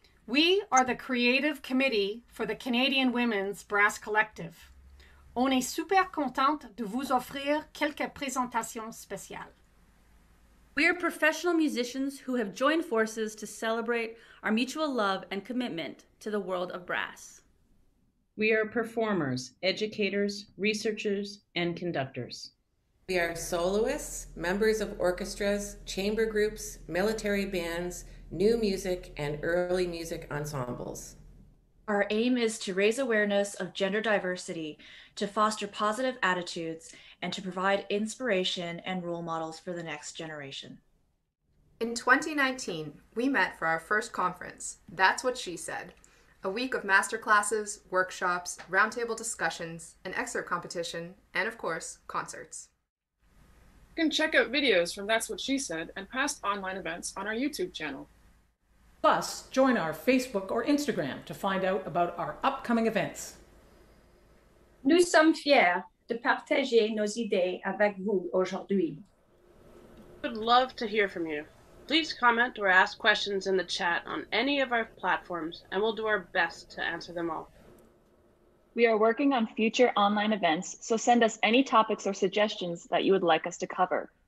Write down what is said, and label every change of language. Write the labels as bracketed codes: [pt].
[en] We are the creative committee for the Canadian Women's Brass Collective. [fr] On est super contente de vous offrir quelques présentations spéciales. [en] We are professional musicians who have joined forces to celebrate our mutual love and commitment to the world of brass. We are performers, educators, researchers, and conductors. We are soloists, members of orchestras, chamber groups, military bands, new music, and early music ensembles. Our aim is to raise awareness of gender diversity, to foster positive attitudes, and to provide inspiration and role models for the next generation. In 2019, we met for our first conference, That's What She Said, a week of masterclasses, workshops, roundtable discussions, an excerpt competition, and of course, concerts. You can check out videos from That's What She Said and past online events on our YouTube channel. Plus, join our Facebook or Instagram to find out about our upcoming events. [fr] Nous sommes fiers de partager nos idées avec vous aujourd'hui. [en] We'd love to hear from you. Please comment or ask questions in the chat on any of our platforms, and we'll do our best to answer them all. We are working on future online events, so send us any topics or suggestions that you would like us to cover.